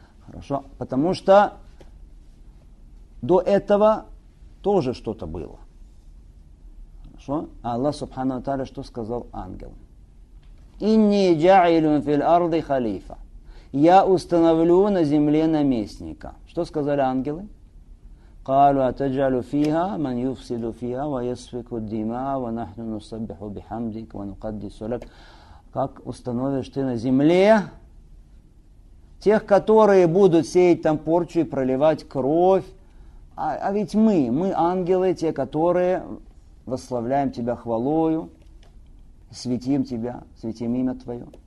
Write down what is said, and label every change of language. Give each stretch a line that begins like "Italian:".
Russian: Хорошо, потому что до этого тоже что-то было. Хорошо, а Аллах Субхана ва Тааля что сказал ангелам?
Arabic: Инни джаилюн филь арди халифа.
Russian: Я установлю на земле наместника. Что сказали ангелы?
Arabic: قالوا أتجعل فيها من يفسد فيها ويسفك الدماء ونحن نسبح بحمدك ونقدس لك.
Russian: Как установишь ты на земле тех, которые будут сеять там порчу и проливать кровь? А ведь мы ангелы, те, которые восславляем тебя хвалою, светим тебя, светим имя твое.